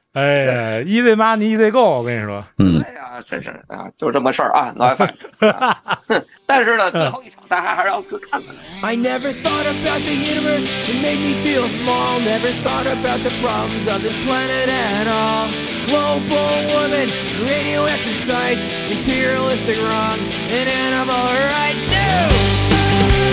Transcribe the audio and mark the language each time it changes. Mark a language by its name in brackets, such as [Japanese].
[Chinese] 哎呀 ， [English] easy money easy go， [Chinese] 我跟你说，嗯，哎呀，真是啊，就这么事儿啊，那反正，但是呢，最后一场大家还是要去看的。 [English] I never thought about the universe, it made me feel small. Never thought about the problems of this planet at all. Global woman, radioactive sites, imperialistic wrongs, and animal rights, no!